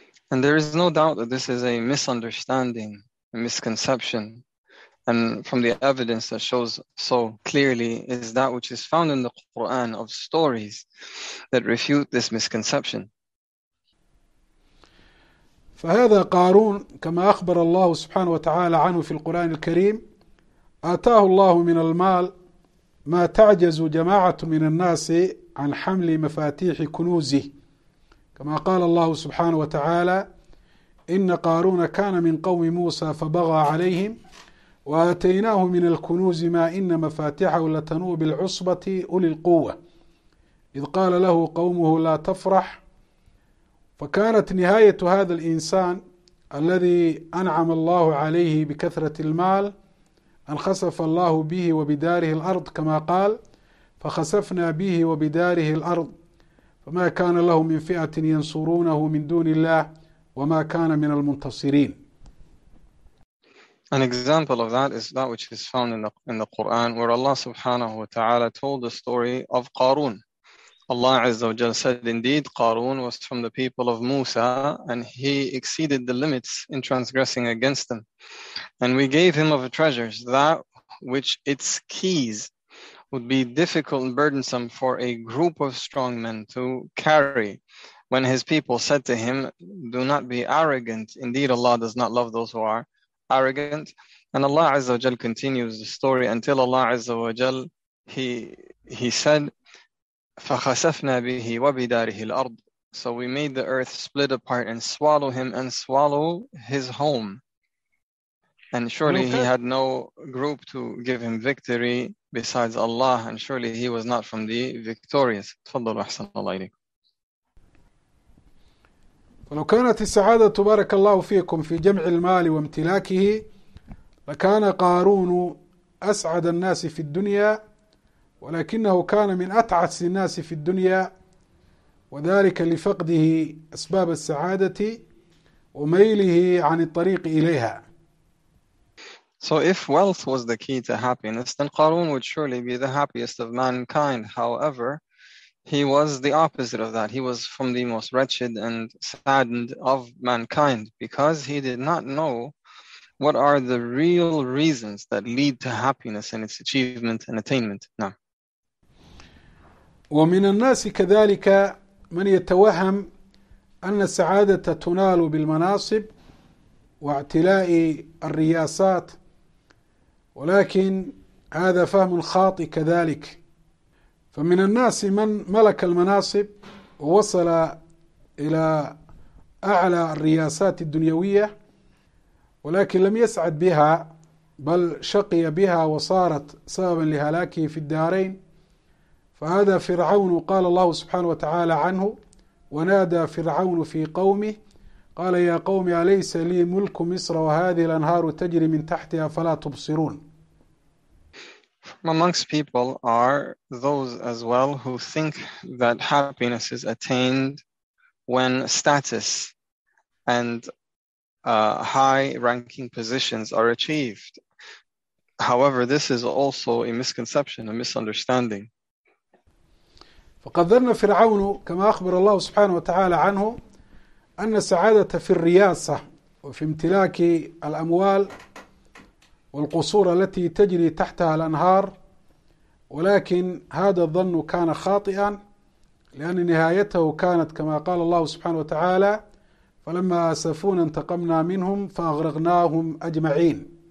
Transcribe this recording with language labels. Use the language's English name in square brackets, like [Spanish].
[English] And there is no doubt that this is a misunderstanding, a misconception. And from the evidence that shows so clearly is that which is found in the Quran of stories that refute this misconception. [Arabic] فهذا قارون كما أخبر الله سبحانه وتعالى عنه في القرآن الكريم آتاه الله من المال ما تعجز جماعة من الناس عن حمل مفاتيح كنوزه، كما قال الله سبحانه وتعالى: إن قارون كان من قوم موسى فبغى عليهم وآتيناه من الكنوز ما إن مفاتيحه لتنوء بالعصبة أولي القوة إذ قال له قومه لا تفرح. فكانت نهاية هذا الإنسان الذي أنعم الله عليه بكثرة المال أن خسف الله به وبداره الأرض، كما قال: فخسفنا به وبداره الأرض فما كان له من فئة ينصرونه من دون الله وما كان من المنتصرين. [English] An example of that is that which is found in the Quran, where Allah subhanahu wa ta'ala told the story of Qarun, Allah Azza wa Jalla said, indeed, Qarun was from the people of Musa, and he exceeded the limits in transgressing against them. And we gave him of the treasures that which its keys would be difficult and burdensome for a group of strong men to carry. When his people said to him, do not be arrogant. Indeed, Allah does not love those who are arrogant. And Allah Azza wa Jal continues the story until Allah Azza wa Jal, he said, [Arabic] فَخَسَفْنَا بِهِ وَبِدَارِهِ الْأَرْضِ. [English] So we made the earth split apart and swallow him and swallow his home. And surely he had no group to give him victory besides Allah. And surely he was not from the victorious. [Arabic] تفضل وحسن الله إليكم. فلو كانت السعادة تبارك الله فيكم في جمع المال وامتلاكه لكان قارون أسعد الناس في الدنيا ولكنه كان من أتعس الناس في الدنيا وذلك لفقده أسباب السعادة وميله عن الطريق إليها. [English] So if wealth was the key to happiness, then Qarun would surely be the happiest of mankind. However, he was the opposite of that. He was from the most wretched and saddened of mankind because he did not know what are the real reasons that lead to happiness and its achievement and attainment. No. [Arabic] ومن الناس كذلك من يتوهم أن السعادة تنال بالمناصب واعتلاء الرياسات ولكن هذا فهم خاطئ كذلك فمن الناس من ملك المناصب ووصل إلى أعلى الرياسات الدنيوية ولكن لم يسعد بها بل شقي بها وصارت سببا لهلاكه في الدارين فهذا فرعون قال الله سبحانه وتعالى عنه ونادى فرعون في قومه قال يا قوم أليس لي ملك مصر وهذه الأنهار تجري من تحتها فلا تبصرون. [English] From amongst people are those as well who think that happiness is attained when status and high ranking positions are achieved. However, this is also a misconception, a misunderstanding. [Arabic] فقد ذكر فرعون كما أخبر الله سبحانه وتعالى عنه أن السعادة في الرياسة وفي امتلاك الأموال والقصور التي تجري تحتها الأنهار ولكن هذا الظن كان خاطئا لأن نهايته كانت كما قال الله سبحانه وتعالى فلما آسفونا انتقمنا منهم فأغرقناهم أجمعين